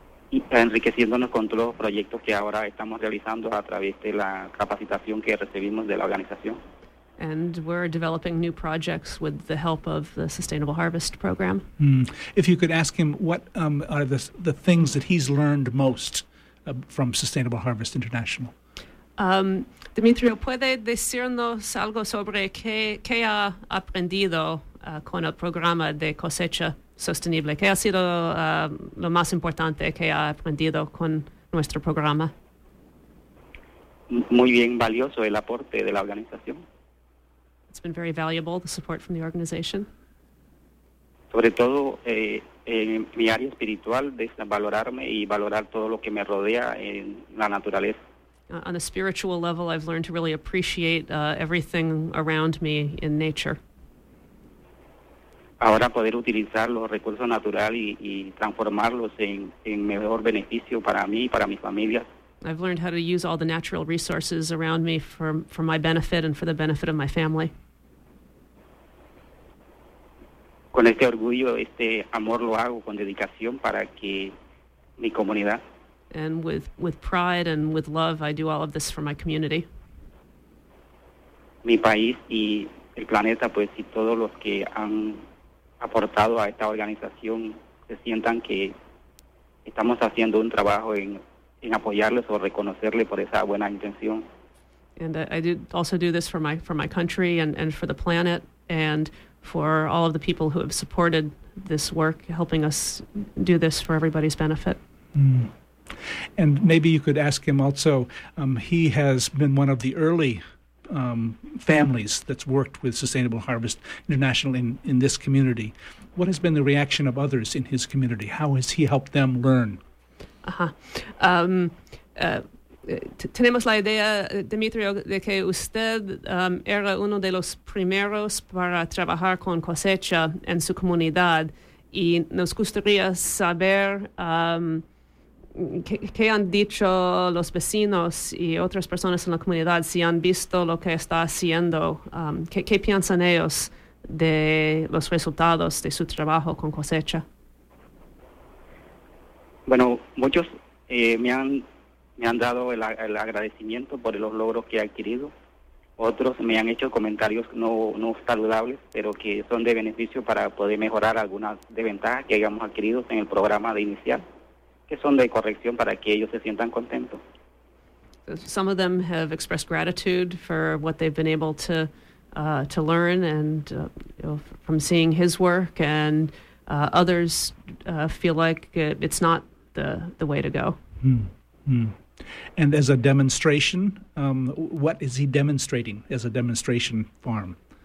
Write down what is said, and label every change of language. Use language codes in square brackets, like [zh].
[es] Y para enriqueciéndonos con todos los proyectos que ahora estamos realizando a través de la capacitación que recibimos de la organización. [en] And we're developing new projects with the help of the Sustainable Harvest Program. If you could ask him what are the things that he's learned most from Sustainable Harvest International. [es] Dimitrio, ¿puede decirnos algo sobre qué ha aprendido con el programa de cosecha sostenible? ¿Qué ha sido lo más importante que ha aprendido con nuestro programa? Muy bien, valioso el aporte de la organización. [en] It's been very valuable, the support from the organization. [es] Sobre todo en mi área espiritual, de valorarme y valorar todo lo que me rodea en la naturaleza. [en] On a spiritual level, I've learned to really appreciate everything around me in nature. [es] Ahora poder utilizar los recursos naturales y transformarlos en mejor beneficio para mí y para mi familia. [en] I've learned how to use all the natural resources around me for my benefit and for the benefit of my family. [es] Con este orgullo, este amor lo hago con dedicación para que mi comunidad. [en] And with pride and with love, I do all of this for my community. [es] Mi país y el planeta, pues, y todos los que han aportado a esta organización se sientan que estamos haciendo un trabajo en apoyarles o reconocerle por esa buena intención. [en] And I do also do this for my country and for the planet and for all of the people who have supported this work, helping us do this for everybody's benefit. And maybe you could ask him also, he has been one of the early families that's worked with Sustainable Harvest International in this community. What has been the reaction of others in his community? How has he helped them learn? [es] Tenemos la idea, Dimitrio, de que usted era uno de los primeros para trabajar con cosecha en su comunidad y nos gustaría saber qué han dicho los vecinos y otras personas en la comunidad si han visto lo que está haciendo, qué piensan ellos de los resultados de su trabajo con cosecha. Bueno, muchos me han dado el agradecimiento por los logros que he adquirido. Otros me han hecho comentarios no saludables, pero que son de beneficio para poder mejorar algunas desventajas que hayamos adquirido en el programa de inicial, que son de corrección para que ellos se sientan contentos. [en] So some of them have expressed gratitude for what they've been able to learn and from seeing his work, and others feel like it's not the way to go. And as a demonstration, what is he demonstrating as a demonstration farm?